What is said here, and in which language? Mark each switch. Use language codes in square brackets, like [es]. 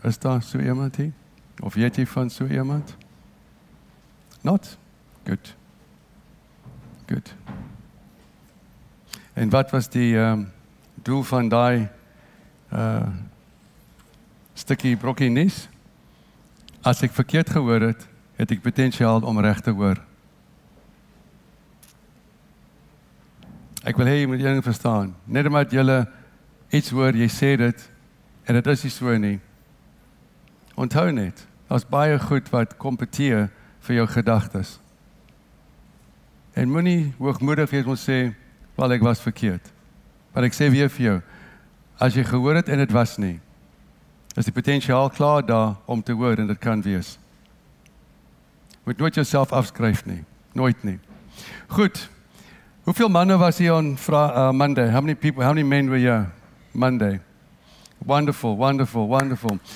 [af] Is daar so iemand hier? Of weet jy van so iemand? [en] Not? Good. Good. [af] En wat was die doel van die stukkie brokkie nuus? As ek verkeerd gehoor het, het ek potensiaal om reg te hoor. Ek wil hê jy moet die ding verstaan. Net omdat jy iets hoor, jy sê dit, en dit is nie so nie. Onthou net, daar is baie goed wat kompeteer vir jou gedagtes. En moenie hoogmoedig wees om sê, wel, ek was verkeerd. Maar ek sê weer vir jou, as jy gehoor het en dit was nie, is die potensiaal klaar daar om te hoor en dit kan wees. Moet nooit jouself afskryf nie, nooit nie. Goed. Hoeveel manne was hier [en] on Monday? How many men were here Monday? Wonderful, wonderful, wonderful.